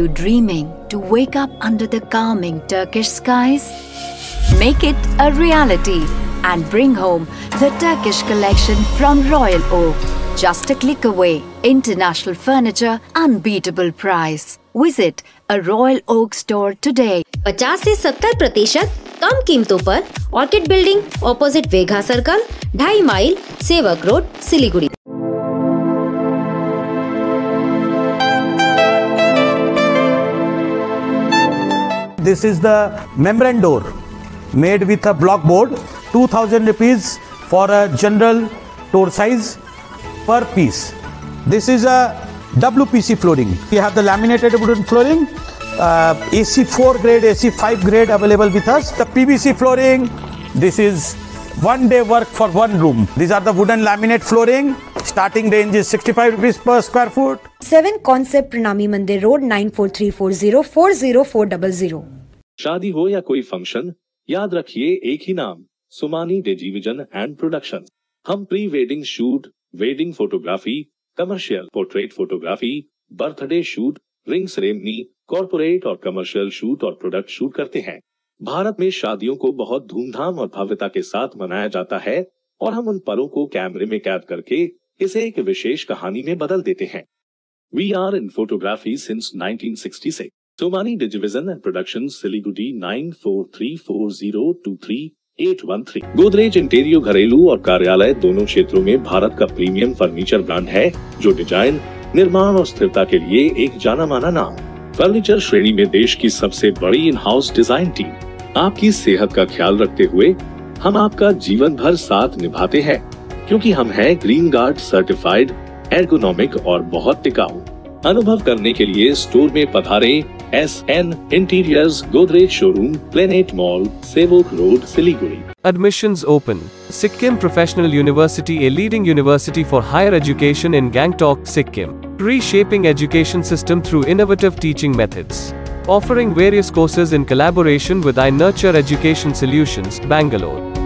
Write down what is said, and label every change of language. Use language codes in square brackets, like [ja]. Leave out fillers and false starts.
[en] Are you dreaming to wake up under the calming Turkish skies? Make it a reality and bring home the Turkish collection from Royal Oak. Just a click away, international furniture, unbeatable price. Visit a Royal Oak store today. [hi] 50-70% कम कीमतों पर orchid building opposite वेघा circle, 2.5 mile सेवक road, Siliguri. [en] This is the membrane door made with a block board, 2000 rupees for a general door size per piece. This is a WPC flooring, you have the laminated wooden flooring, AC 4 grade, AC 5 grade available with us. The PVC flooring, this is one day work for one room. These are the wooden laminate flooring. Starting range is 65 rupees per square foot. 7 Concept Pranami Mandir Road, 94340-40400. [hi] Shadi ho ya koi function, yaad rakhiye ek hi naam, Sumani Digivision and Production. Hum pre-wedding shoot, wedding photography, commercial portrait photography, birthday shoot, ring ceremony, corporate और commercial shoot और product shoot करते हैं। भारत में शादियों को बहुत धूमधाम और भव्यता के साथ मनाया जाता है और हम उन पलों को कैमरे में कैद करके इसे एक विशेष कहानी में बदल देते हैं। [en] We are in photography since 1966। Somani Digivision and production, Siliguri, 9434023813। [hi] Godrej entero घरेलू और कार्यालय दोनों क्षेत्रों में भारत का प्रीमियम फर्नीचर ब्रांड है, जो डिजाइन, निर्माण और स्थिरता के लिए एक जाना माना नाम। फर्नीचर श्रेणी में देश की सबसे बड़ी इन हाउस डिजाइन टीम। आपकी सेहत का ख्याल रखते हुए हम आपका जीवन भर साथ निभाते हैं, क्योंकि हम हैं ग्रीन गार्ड सर्टिफाइड, एर्गोनॉमिक और बहुत टिकाऊ। अनुभव करने के लिए स्टोर में पधारें। SN interiors, Godrej showroom, planet mall, Sevoke road, Siliguri. [en] Admissions open. Sikkim professional university, a leading university for higher education in Gangtok, Sikkim. Reshaping education system through innovative teaching methods. Offering various courses in collaboration with iNurture Education Solutions, Bangalore.